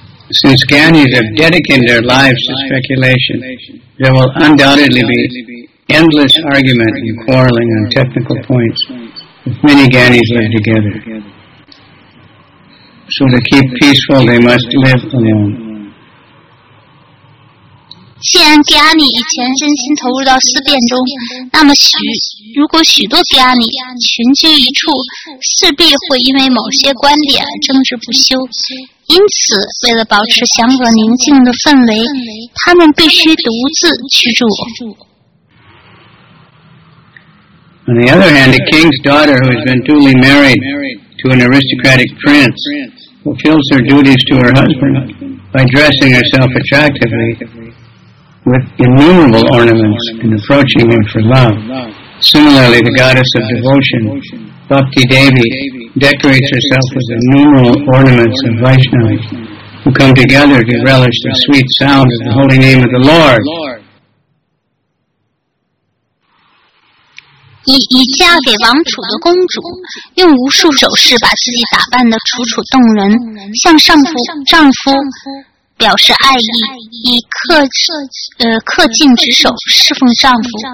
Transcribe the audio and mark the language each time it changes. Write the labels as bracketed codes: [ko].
[en] Since Jnanis have dedicated their lives to speculation, there will undoubtedly be endless argument and quarreling on technical points if many Jnanis live together. So to keep peaceful, they must live alone. [zh] 既然迪亚尼以前真心投入到思辨中，那么如果许多迪亚尼群居一处，势必会因为某些观点争执不休。因此，为了保持祥和宁静的氛围，他们必须独自居住。 [en] On the other hand, a king's daughter who has been duly married to an aristocratic prince fulfills her duties to her husband by dressing herself attractively. With innumerable ornaments and approaching him for love. Similarly, the goddess of devotion, Bhakti Devi, decorates herself with innumerable ornaments of Vaishnavas who come together to relish the sweet sound of the holy name of the Lord. [zh] 以嫁给王储的公主，用无数首饰把自己打扮得楚楚动人，向丈夫表示爱意，以恪尽职守侍奉丈夫。